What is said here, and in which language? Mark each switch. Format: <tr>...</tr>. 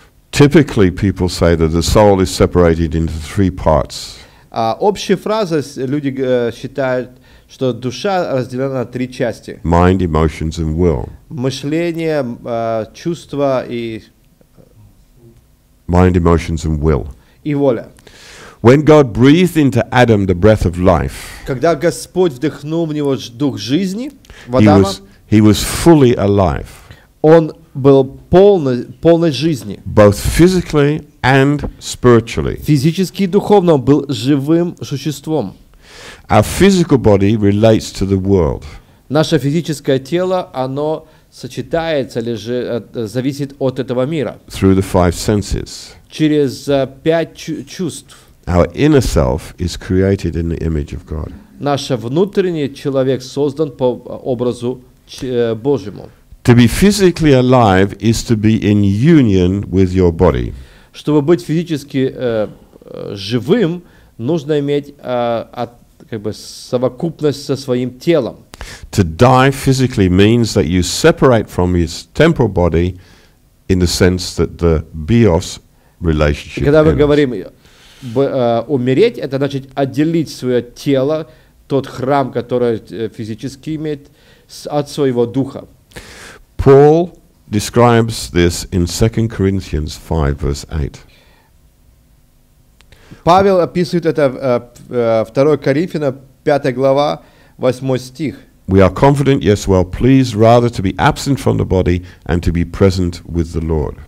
<en>Typically, people say that the soul is separated into three parts.</en> <ru>Общая фраза, люди считают, что душа разделена на три части.</ru> <en>Mind, emotions, and will.</en> <ru>Мышление, чувства и...</ru> <en>Mind, emotions, and will.</en> <ru>И воля.</ru> <en>When God breathed into Adam the breath of life,</en> <ru>когда Господь вдохнул в него дух жизни, в</ru> <en>Адама, he was fully alive.</en> <ru>Он был полной жизни.</ru> <en>Both physically and spiritually.</en> <ru>Физически и духовно он был живым существом.</ru> <en>Our physical body relates to the world.</en> <ru>Наше физическое тело, оно сочетается или же зависит от этого мира.</ru> <en>Through the five senses.</en> <ru>Через пять чувств.</ru> <en>Our inner self is created in the image of God.</en> <ru>Наш внутренний человек создан по образу Божьему.</ru> <en>To be physically alive is to be in union with your body.</en> <ru>Чтобы быть физически живым, нужно иметь совокупность со своим телом.</ru> <en>To die physically means that you separate from his temporal body in the sense that the bios relationship.</en> <ru>Когда мы говорим умереть, это значит отделить свое тело, тот храм, который физически имеет, от своего духа.</ru> <en>Paul describes this in 2 Corinthians 5, verse 8.</en> <ru>Павел описывает это в 2 Коринфянам, 5 глава, 8 стих.</ru> <en>We are confident, yes, well pleased, rather to be absent from the body and to be present with the Lord.</en>